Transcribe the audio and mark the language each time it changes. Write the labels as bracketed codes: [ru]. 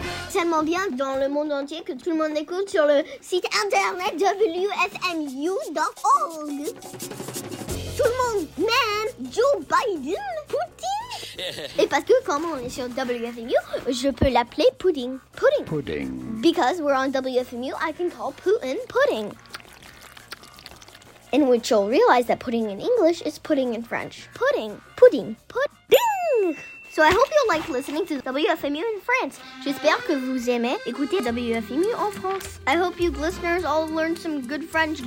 [fr] Tellement bien dans le monde entier que tout le monde écoute sur le site internet WFMU.org. Tout le monde, même Joe Biden, Putin. Et parce que comme on est sur WFMU, je peux l'appeler Pudding. Pudding. Pudding. [en] Because we're on WFMU, I can call Putin Pudding. In which you'll realize that pudding in English is pudding in French. Pudding. Pudding. Pudding! So I hope you'll like listening to WFMU in France. [fr] J'espère que vous aimez écouter WFMU en France. [en] I hope you listeners all learned some good French.